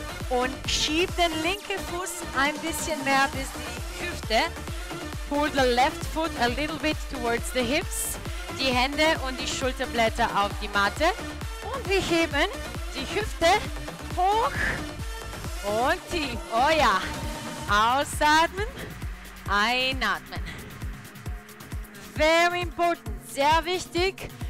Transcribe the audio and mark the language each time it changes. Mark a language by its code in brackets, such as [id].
[de] Und schieb den linken Fuß ein bisschen mehr bis die Hüfte. [en] Pull the left foot a little bit towards the hips. [de] Die Hände und die Schulterblätter auf die Matte. Und wir heben die Hüfte hoch und tief. Oh ja. Ausatmen, einatmen. [en] Very important, [de] sehr wichtig.